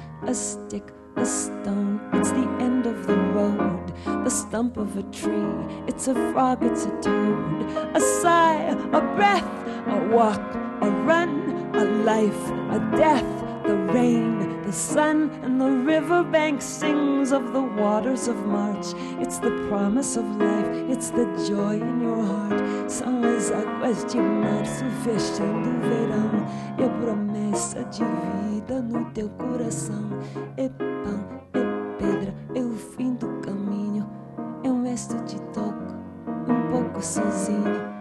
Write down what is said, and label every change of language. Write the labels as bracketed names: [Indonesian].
[English] a stick, a stone, it's the end of the road, the stump of a tree, it's a frog, it's a toad, a sigh, a breath, a walk, a run, a life, a death, the rain, the sun, and the riverbank sings of the waters of March. It's the promise of life, it's the joy in your heart. [Portuguese] São as águas de março fechando o verão, e a promessa de vida no teu coração. É pão, é pedra, é o fim do caminho, é um resto de toco, um pouco sozinho.